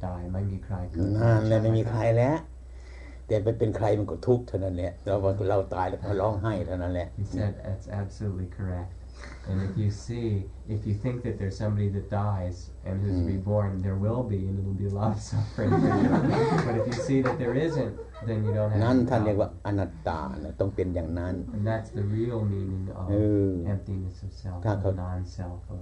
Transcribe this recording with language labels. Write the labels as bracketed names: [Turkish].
[English] that. He said that's absolutely correct. And if you think that there's somebody that dies and who's reborn, there will be, and it'll be a lot of suffering for you. But if you see that there isn't, then you don't have to. [Thai] นั่นท่านเรียกว่าอนัตตาต้องเป็นอย่างนั้น [English] And that's the real meaning of emptiness of self, of non-self,